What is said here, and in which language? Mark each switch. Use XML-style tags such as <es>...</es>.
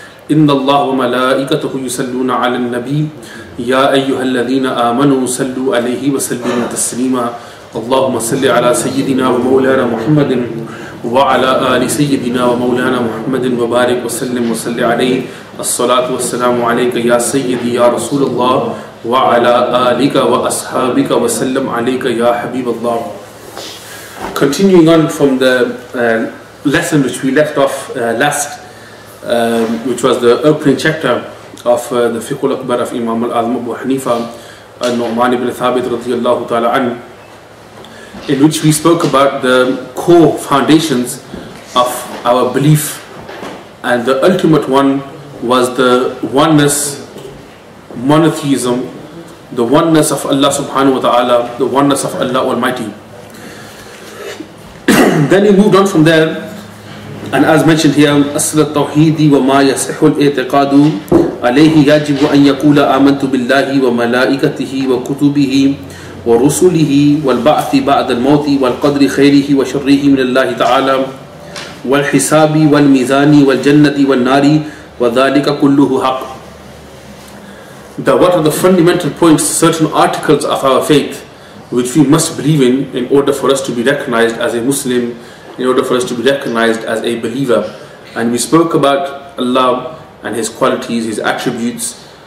<ar>إن الله وملائكته يصلون على النبي يا أيها الذين آمنوا صلوا عليه وسلموا تسليما اللهم صل على سيدنا ومولانا محمد وعلى آل سيدنا ومولانا محمد وبارك وسلم وصل عليه الصلاة والسلام عليك يا سيدي يا رسول الله وعلى آلك وأصحابك وسلم عليك يا حبيب الله.</ar> <en>Continuing on from the lesson which we left off last, which was the opening chapter of the Fiqh Al-Akbar of Imam Al-Azm Abu Hanifa al-Nu'man ibn Thabit radiyallahu ta'ala an, in which we spoke about the core foundations of our belief, and the ultimate one was the oneness, monotheism, the oneness of Allah subhanahu wa ta'ala, the oneness of Allah Almighty. Then he moved on from there, and as mentioned here,</en> <ar>أصل التوحيد وما يصح الاعتقاد عليه يجب أن يقول آمنت بالله وملائكته وكتبه ورسله والبعث بعد الموت والقدر خيره وشره من الله تعالى والحساب والميزان والجنة والنار وذلك كله حق.</ar> <en>That what are the fundamental points, certain articles of our faith which we must believe in order for us to be recognized as a Muslim, in order for us to be recognized as a believer. And we spoke about Allah and His qualities, His attributes.</en>